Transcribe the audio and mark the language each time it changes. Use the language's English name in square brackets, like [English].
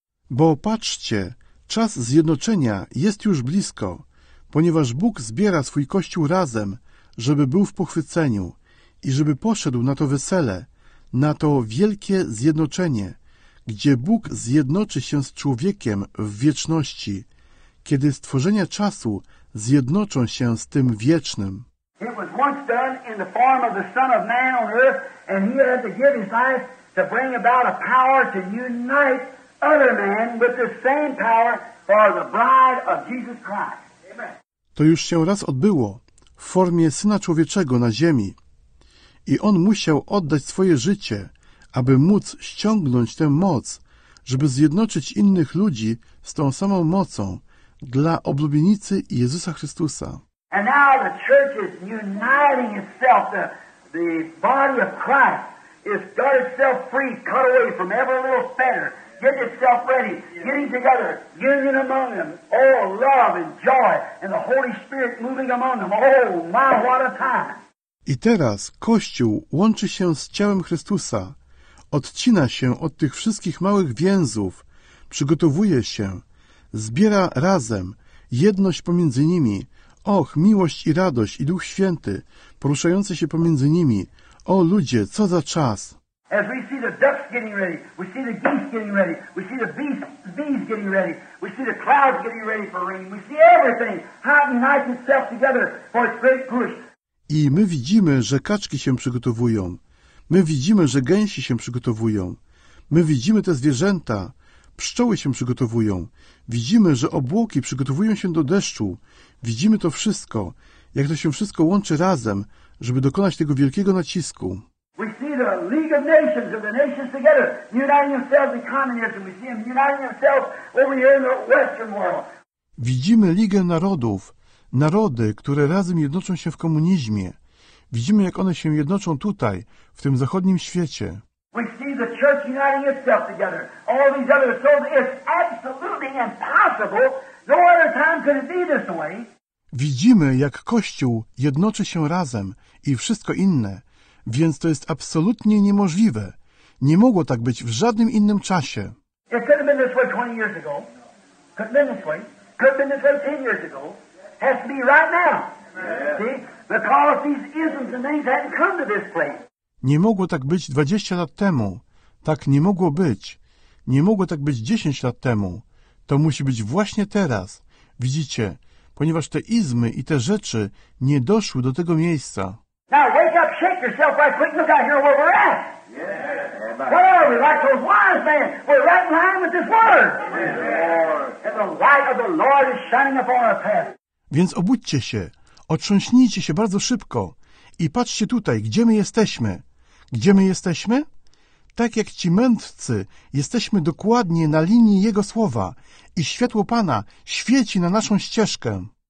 [Polish] Bo patrzcie, czas zjednoczenia jest już blisko, ponieważ Bóg zbiera swój Kościół razem, żeby był w pochwyceniu i żeby poszedł na to wesele, na to wielkie zjednoczenie, gdzie Bóg zjednoczy się z człowiekiem w wieczności, kiedy stworzenia czasu zjednoczą się z tym wiecznym. [English] It was once done in the form of the Son of Man on earth, and he had to give his life to bring about a power to unite other men with the same power for the bride of Jesus Christ. Amen. [Polish] To już się raz odbyło w formie Syna Człowieczego na ziemi. I on musiał oddać swoje życie, aby móc ściągnąć tę moc, żeby zjednoczyć innych ludzi z tą samą mocą dla oblubienicy Jezusa Chrystusa. [English] And now the church is uniting itself, the body of Christ is got itself free, cut away from every little fetter, get itself ready, getting together, union among them, oh, love and joy, and the Holy Spirit moving among them, oh, my, what a time. [Polish] I teraz Kościół łączy się z ciałem Chrystusa, odcina się od tych wszystkich małych więzów, przygotowuje się, zbiera razem jedność pomiędzy nimi, och, miłość i radość i Duch Święty poruszający się pomiędzy nimi. O ludzie, co za czas! [English] As we see the ducks getting ready, we see the geese getting ready, we see the bees getting ready, we see the clouds getting ready for rain, we see everything, how it unites itself together for its great push. [Polish] I my widzimy, że kaczki się przygotowują. My widzimy, że gęsi się przygotowują. My widzimy te zwierzęta. Pszczoły się przygotowują. Widzimy, że obłoki przygotowują się do deszczu. Widzimy to wszystko, jak to się wszystko łączy razem, żeby dokonać tego wielkiego nacisku. [English] We see the League of Nations of the nations together, uniting themselves in communism. We see them uniting themselves over here in the Western world. [Polish] Widzimy Ligę Narodów, narody, które razem jednoczą się w komunizmie. Widzimy, jak one się jednoczą tutaj, w tym zachodnim świecie. [English] We see the church uniting itself together. All these other souls, it's absolutely impossible. No other time could it be this way. [Polish] Widzimy, jak Kościół jednoczy się razem i wszystko inne, więc to jest absolutnie niemożliwe. Nie mogło tak być w żadnym innym czasie. [English] It could have been this way 20 years ago. Could have been this way. Could have been this way 10 years ago. Has to be right now. Yeah. See? Because these isms and things hadn't come to this place. [Polish] Nie mogło tak być 20 lat temu. Tak nie mogło być. Nie mogło tak być 10 lat temu. To musi być właśnie teraz. Widzicie, ponieważ te izmy i te rzeczy nie doszły do tego miejsca. [English] Now wake up, shake yourself right quick, look out here where we're at. What are we? Like those wise men. We're right in line with this word. And the light of the Lord is shining upon our path. [Polish] Więc obudźcie się, otrząśnijcie się bardzo szybko i patrzcie tutaj, gdzie my jesteśmy. Gdzie my jesteśmy? Tak jak ci mędrcy, jesteśmy dokładnie na linii Jego słowa i światło Pana świeci na naszą ścieżkę.